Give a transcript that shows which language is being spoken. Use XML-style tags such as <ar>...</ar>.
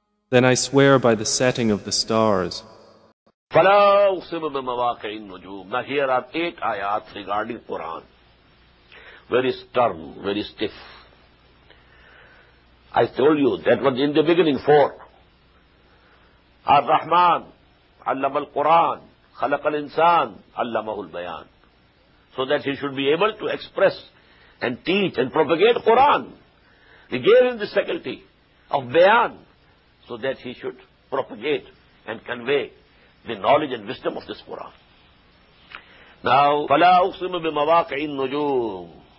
<en>Then I swear by the setting of the stars.</en> <ar>فَلَا أُقْسِمُ بِمَوَاقِعِ النُّجُومِ.</ar> <en>Now here are 8 ayat regarding Quran. Very stern, very stiff. I told you that was in the beginning, 4.</en> <ar>Ar-Rahman, علم القرآن, خلق الإنسان, علمه البيان.</ar> <en>So that he should be able to express and teach and propagate Quran. He gave him the faculty of bayan, so that he should propagate and convey the knowledge and wisdom of this Quran. Now,</en> <ar>فَلَا أُقْسِمُ بِمَوَاقِعِ النُّجُومِ.</ar>